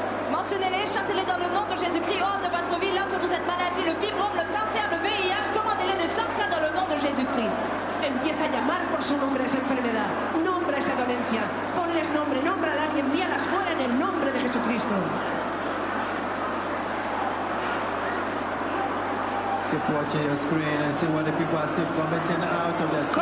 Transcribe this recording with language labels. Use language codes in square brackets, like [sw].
[fr] Mentionnez-les, chassez-les dans le nom de Jésus-Christ. Hors de votre vie, là se trouve cette maladie, le fibrome, le cancer, le VIH. Commandez-les de sortir dans le nom de Jésus-Christ. [es] Empieza a llamar por su nombre esa enfermedad. Nombra esa dolencia. Ponles nombre, nómbralas y envíalas fuera en el nombre de Jesucristo. [en] Keep watching your screen and see what the people are still vomiting out of their system.